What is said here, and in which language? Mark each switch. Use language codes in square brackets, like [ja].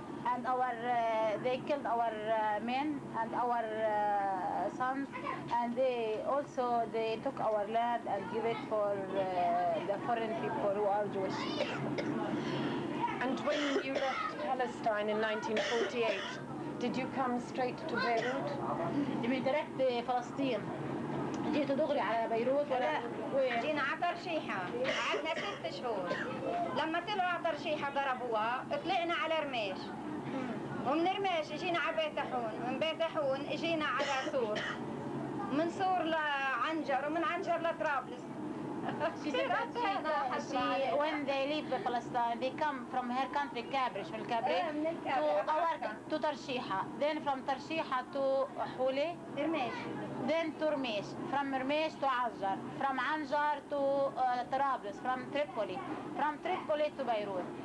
[en] And they killed our men and our sons, and they also took our land and gave it for the foreign people who are Jewish. And when you left Palestine in 1948, did you come straight to Beirut? [ar] من درجت فلسطين جيت دغري على بيروت ولا جينا على ترشيحة قعدنا ست شهور لما طلعوا على ترشيحة ضربوها طلعنا على رماش ومن رماش جينا على بيت حون من بيت حون جينا على سور من سور لعنجر ومن عنجر لطرابلس [en] When they leave Palestine, they come from her country, Kabrish, from Kabri, to Tarshiha, then from Tarshiha to Huli, then to Rmesh, from Rmesh to Anjar, from Anjar to Trablus, from Tripoli to Beirut.